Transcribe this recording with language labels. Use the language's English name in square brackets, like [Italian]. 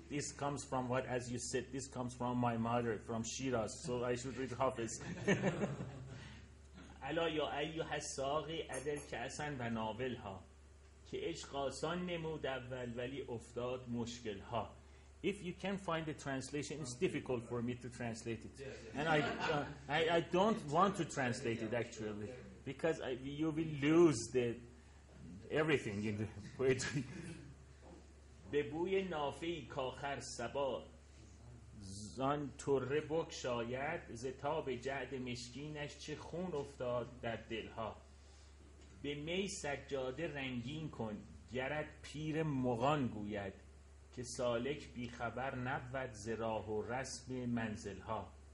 [English] This comes from what, as you said, this comes from my mother, from Shiraz, so I should read Hafiz. [Arabic] الا یا ایها الساقی ادر کأسن و ناول ها [Persian] که عشق آسان نمود اول ولی افتاد مشکل ها. [English] If you can find the translation, it's difficult for me to translate it. And I don't want to translate it, actually, because you will lose the everything in the poetry. [Persian] به بوی نافه‌ای کاخر سبا زان طره بکشاید ز تاب جعد مشکینش چه خون افتاد در دلها. به می سجاده رنگین کن گرد پیر مغان گوید که سالک بیخبر نبود ز راه و رسم منزلها.